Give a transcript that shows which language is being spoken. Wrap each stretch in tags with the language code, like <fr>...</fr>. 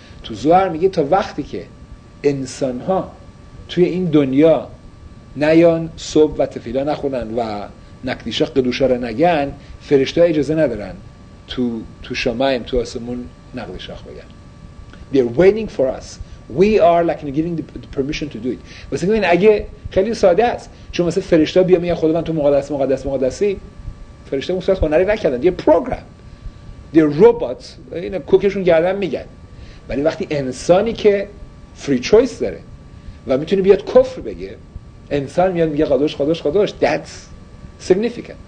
<fa>تو زوهر میگه تا وقتی که انسان ها توی این دنیا نیان صبح و تفیلا نخونن و نکدیشا قدوشا رو نگن، فرشته ها اجازه ندارن تو شمایم تو آسمون نقدیشا بگن.</fa> <en>They're waiting for us. We are like giving the permission to do it.</en> <fa>واسه این اگه خیلی ساده است، چون مثلا فرشته بیا میگه خداوند تو مقدس مقدس مقدسی، فرشته اون صورت هنری نکردن، یه پروگرام، یه روبات، اینا کوکشون گردن میگن. ولی وقتی انسانی که فری چویس داره و میتونه بیاد کفر بگه، انسان میاد میگه قدوش قدوش قدوش، that's significant.</fa>